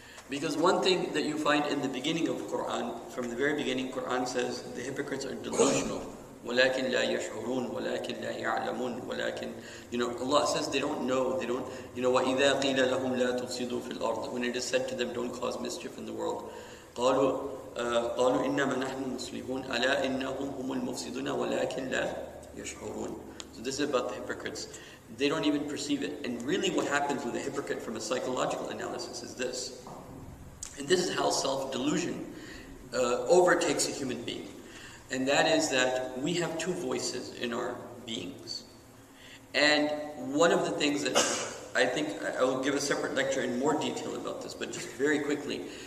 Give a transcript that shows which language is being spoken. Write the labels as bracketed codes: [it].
[en] Because one thing that you find in the beginning of Quran, from the very beginning, Quran says the hypocrites are delusional. [ar] وَلَكِنْ لَا يَشْعُرُونَ وَلَكِنْ لَا يَعْلَمُونَ وَلَكِنْ [en] You know, Allah says they don't know, they don't, you know, [ar] وَإِذَا قِيلَ لَهُمْ لَا تُفْسِدُوا فِي الْأَرْضِ [en] When it is said to them, don't cause mischief in the world. [ar] قَالُوا إِنَّمَا نَحْنُ مُسْلِحُونَ أَلَا إِنَّهُمْ هُمُ الْمُفْسِدُونَ وَلَكِنْ لَا يَشْعُرُونَ [en] So this is about the hypocrites. They don't even perceive it. And really what happens with a hypocrite from a psychological analysis is this. And This is how self-delusion overtakes a human being. And that is that we have two voices in our beings. And one of the things that I think I will give a separate lecture in more detail about this, but just very quickly.